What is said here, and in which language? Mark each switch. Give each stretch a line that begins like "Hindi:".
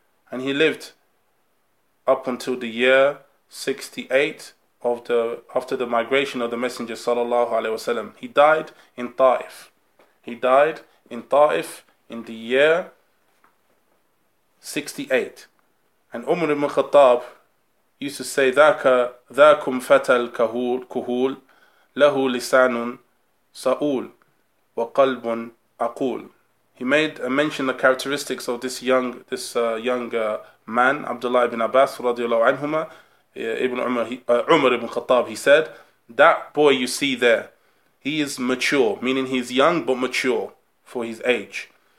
English: And he lived up until the year 68 after the migration of the Messenger sallallahu alayhi wa sallam. He died in Ta'if. He died in Ta'if in the year 68. And Umar ibn Khattab used to say,
Arabic: ذَاكُمْ فَتَى الْكُهُولِ لَهُ لِسَانٌ سَأُولٌ وَقَلْبٌ أَقُولٌ.
English: He made a mention the characteristics of this young man, Abdullah ibn Abbas, radiallahu anhuma, Ibn Umar, Umar ibn Khattab. He said, "That boy you see there, he is mature," meaning he's young but mature for his age.